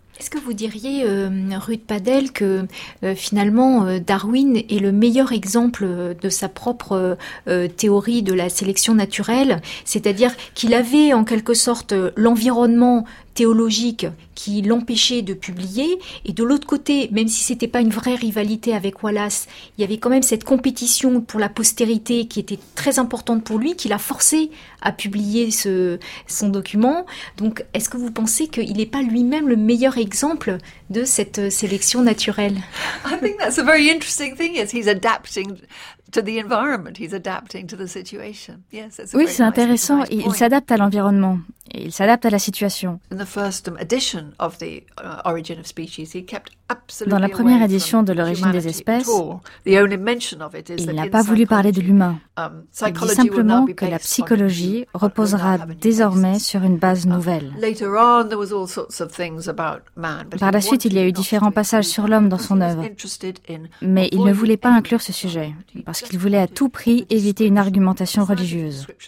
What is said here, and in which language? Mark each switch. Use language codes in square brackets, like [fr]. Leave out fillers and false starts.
[fr] Est-ce que vous diriez, Ruth Padel, que finalement Darwin est le meilleur exemple de sa propre théorie de la sélection naturelle, c'est-à-dire qu'il avait en quelque sorte l'environnement théologique qui l'empêchait de publier, et de l'autre côté, même si c'était pas une vraie rivalité avec Wallace, il y avait quand même cette compétition pour la postérité qui était très importante pour lui, qui l'a forcé à publier son document. Donc est-ce que vous pensez qu'il n'est pas lui-même le meilleur exemple de cette sélection naturelle? [en] I think that's a very interesting thing, is he's adapting to the environment, he's adapting to the situation. Yes, it's a [fr] oui, c'est intéressant, [en] nice, [fr] il s'adapte à l'environnement, et il s'adapte à la situation. [en] In the first edition of the Origin of Species, he kept absolutely [fr] dans la première édition de l'Origine des espèces, [en] the only mention of it is [fr] il n'a pas voulu parler de l'humain. Il dit simplement que la psychologie reposera désormais sur une base nouvelle. Par la suite, il y a eu différents passages sur l'homme dans son œuvre, mais il ne voulait pas inclure ce sujet, parce qu'il voulait à tout prix éviter une argumentation religieuse.